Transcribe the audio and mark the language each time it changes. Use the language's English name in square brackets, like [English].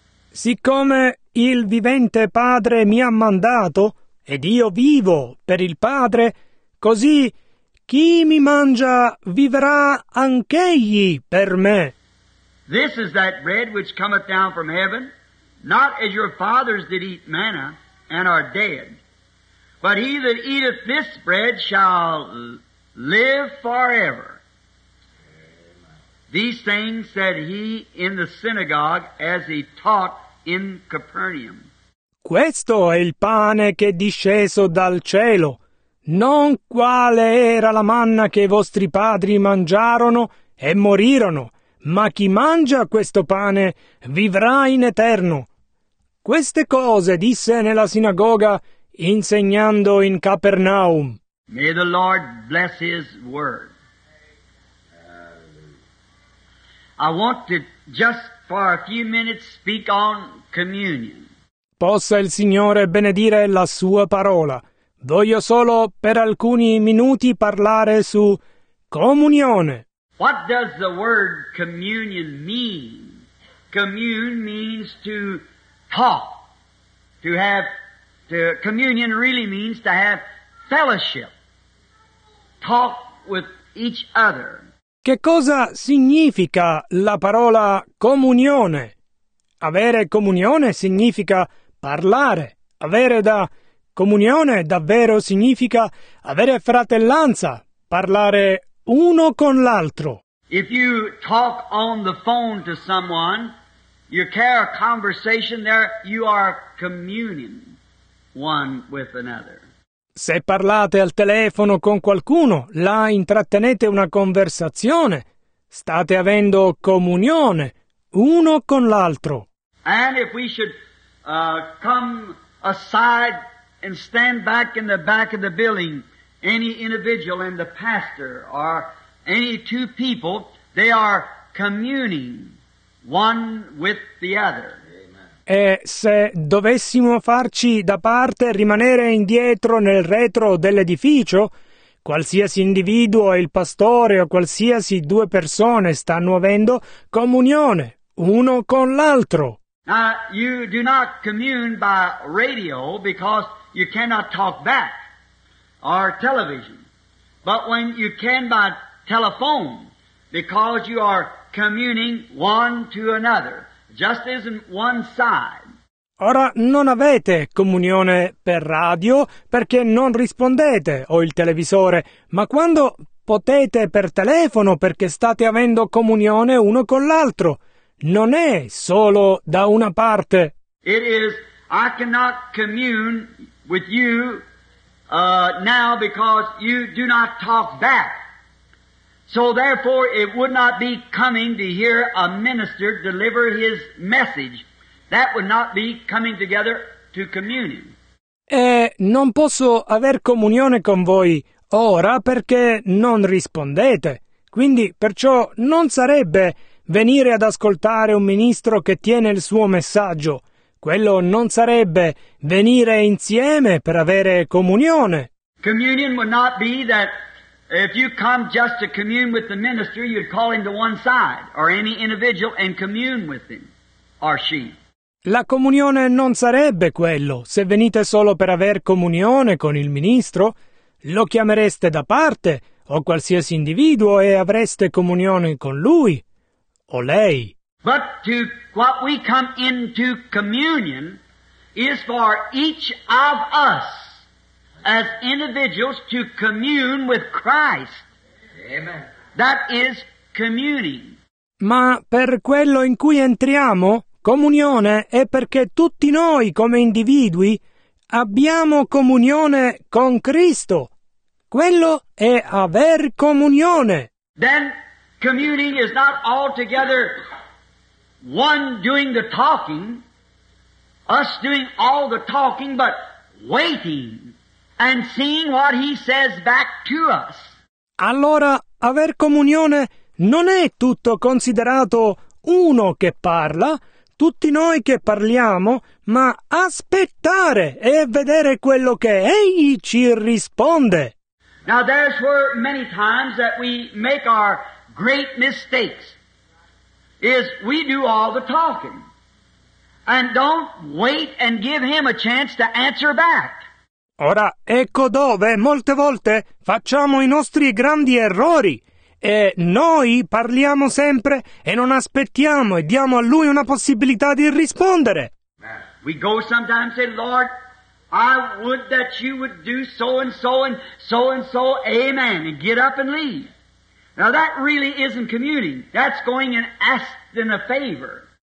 [Italian] Siccome il vivente Padre mi ha mandato, ed io vivo per il Padre, così chi mi mangia vivrà anch'egli per me. [English] This is that bread which cometh down from heaven, not as your fathers did eat manna and are dead. But he that eateth this bread shall live forever. These things said he in the synagogue as he taught in Capernaum. [Italian] Questo è il pane che è disceso dal cielo, non quale era la manna che i vostri padri mangiarono e morirono, ma chi mangia questo pane vivrà in eterno. Queste cose disse nella sinagoga, insegnando in Capernaum. [English] May the Lord bless his word. I want to just for a few minutes speak on communion. [Italian] Possa il Signore benedire la sua parola. Voglio solo per alcuni minuti parlare su comunione. [English] What does the word communion mean? Commune means to talk, to have, to, communion really means to have fellowship. talk with each other. [Italian] Che cosa significa la parola comunione? Avere comunione significa parlare. Avere da comunione davvero significa avere fratellanza, parlare uno con l'altro. [English] If you talk on the phone to someone, you carry a conversation there, you are communing one with another. [Italian] Se parlate al telefono con qualcuno, là intrattenete una conversazione, state avendo comunione uno con l'altro. [English] And if we should come aside and stand back in the back of the building, any individual and the pastor or any two people, they are communing one with the other. [Italian] E se dovessimo farci da parte, rimanere indietro nel retro dell'edificio, qualsiasi individuo, il pastore o qualsiasi due persone stanno avendo comunione uno con l'altro. [English] Now, you do not commune by radio because you cannot talk back, or television. But when you can by telephone, because you are communing one to another, just isn't one side. [Italian] Ora non avete comunione per radio perché non rispondete o il televisore, ma quando potete per telefono perché state avendo comunione uno con l'altro. Non è solo da una parte. [English] It is, I cannot commune with you now because you do not talk back. So therefore it would not be coming to hear a minister deliver his message. That would not be coming together to commune. [Italian] E non posso aver comunione con voi ora perché non rispondete. Quindi perciò non sarebbe venire ad ascoltare un ministro che tiene il suo messaggio. Quello non sarebbe venire insieme per avere comunione. [English] Communion would not be that if you come just to commune with the minister, you'd call him to one side, or any individual, and commune with him, or she. [Italian] La comunione non sarebbe quello. Se venite solo per aver comunione con il ministro, lo chiamereste da parte, o qualsiasi individuo, e avreste comunione con lui. O lei. [English] But to what we come into communion is for each of us as individuals to commune with Christ. Amen. That is communing. [Italian] Ma per quello in cui entriamo, comunione è perché tutti noi come individui abbiamo comunione con Cristo. Quello è aver comunione. [English] Then communing is not altogether one doing the talking, us doing all the talking, but waiting and seeing what he says back to us. [Italian] Allora, aver comunione non è tutto considerato uno che parla, tutti noi che parliamo, ma aspettare e vedere quello che egli ci risponde. [English] Now, there's where many times that we make our great mistakes is we do all the talking and don't wait and give him a chance to answer back. [Italian] Ora, ecco dove molte volte facciamo i nostri grandi errori e noi parliamo sempre e non aspettiamo e diamo a lui una possibilità di rispondere. [English] We go sometimes and say, Lord, I would that you would do so and so and so and so, amen, and get up and leave. Now that really isn't communing. That's going and asking a favor.